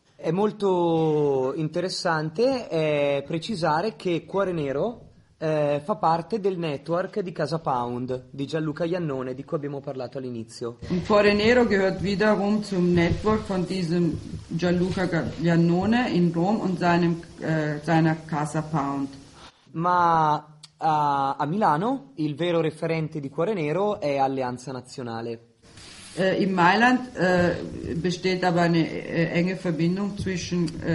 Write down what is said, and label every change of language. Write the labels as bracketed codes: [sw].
[it] È molto interessante precisare che Cuore Nero fa parte del network di Casa Pound di Gianluca Iannone, di cui abbiamo parlato all'inizio. [de] Cuore Nero gehört wiederum zum Network von diesem Gianluca Iannone in Rom und seiner Casa Pound. [it] Ma a Milano il vero referente di Cuore Nero è Alleanza Nazionale. [de] In Mailand besteht aber eine enge Verbindung zwischen